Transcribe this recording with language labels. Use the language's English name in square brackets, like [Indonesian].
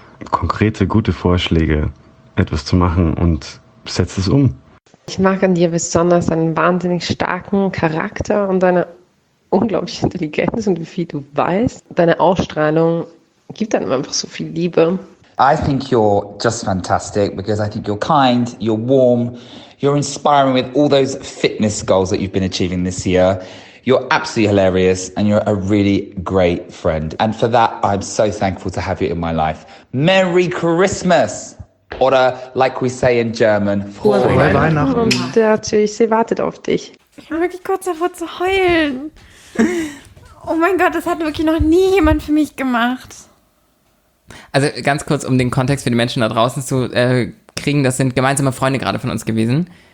[German] Konkrete, gute Vorschläge, etwas zu machen und setz es um. Ich mag an dir besonders deinen wahnsinnig starken Charakter und deine unglaublich Intelligenz und wie viel du weißt. Deine Ausstrahlung gibt dann einfach so viel Liebe. [English] I think you're just fantastic because I think you're kind, you're warm, you're inspiring with all those fitness goals that you've been achieving this year. You're absolutely hilarious and you're a really great friend. And for that, I'm so thankful to have you in my life. Merry Christmas! Oder like we say in German, [German] Frohe Weihnachten. Natürlich, sie wartet auf dich. Ich war wirklich kurz davor zu heulen. Oh mein Gott, das hat wirklich noch nie jemand für mich gemacht. Also ganz kurz, um den Kontext für die Menschen da draußen zu kriegen, das sind gemeinsame Freunde gerade von uns gewesen.